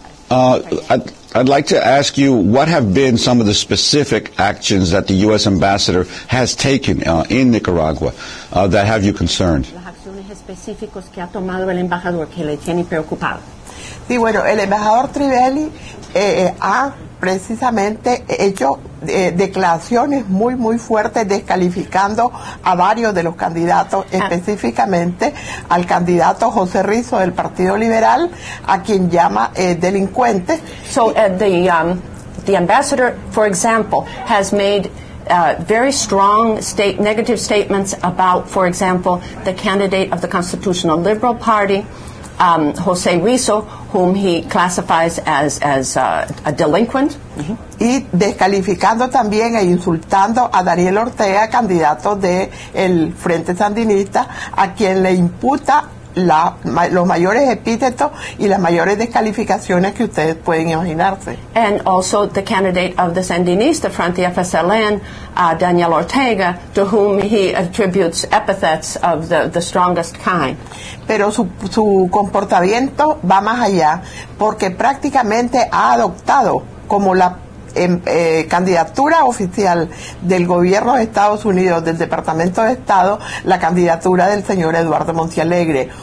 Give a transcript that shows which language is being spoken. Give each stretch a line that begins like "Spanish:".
English: I'd like to ask you, what have been some of the specific actions that the U.S. ambassador has taken in Nicaragua that have you concerned?
Spanish: Sí, bueno, el embajador Trivelli ha precisamente hecho declaraciones muy, muy fuertes descalificando a varios de los candidatos, específicamente al candidato José Rizzo del Partido Liberal, a quien llama delincuente.
English: So the ambassador, for example, has made very strong negative statements about, for example, the candidate of the Constitutional Liberal Party, José Rizzo, whom he classifies as a delinquent. Mm-hmm.
Spanish: Y descalificando también e insultando a Daniel Ortega, candidato del Frente Sandinista, a quien le imputa los mayores epítetos y las mayores descalificaciones que ustedes pueden imaginarse.
English: And also the candidate of the Sandinista Front, the FSLN, Daniel Ortega, to whom he attributes epithets of the strongest kind.
Spanish: Pero su comportamiento va más allá, porque prácticamente ha adoptado como la candidatura oficial del gobierno de Estados Unidos, del Departamento de Estado, la candidatura del señor Eduardo Montialegre.